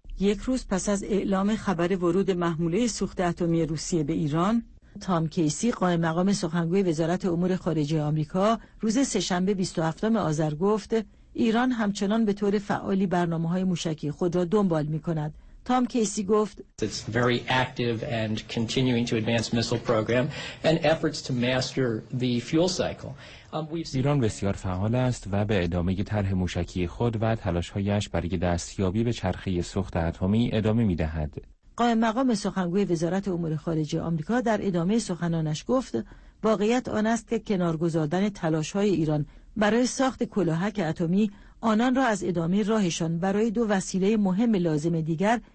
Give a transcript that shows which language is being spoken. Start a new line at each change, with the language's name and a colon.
Persian: یک روز پس از اعلام خبر ورود محموله سوخت اتمی روسیه به ایران، تام کیسی قائم مقام سخنگوی وزارت امور خارجه آمریکا روز سه‌شنبه 27 آذر گفت ایران همچنان به طور فعالی برنامه‌های موشکی خود را دنبال می‌کند. تام کیسی گفت
English: It's very active and continuing to advance missile program and efforts to master the fuel cycle.
Persian: ایران بسیار فعال است و به ادامه طرح موشکی خود و تلاش‌هایش برای دستیابی به چرخه سوخت اتمی ادامه می‌دهد. قائم مقام سخنگوی وزارت امور خارجه آمریکا در ادامه سخنانش گفت واقعیت آن است که کنار گذاردن تلاش‌های ایران برای ساخت کلاهک اتمی آنان را از ادامه راهشان برای دو وسیله مهم لازم دیگر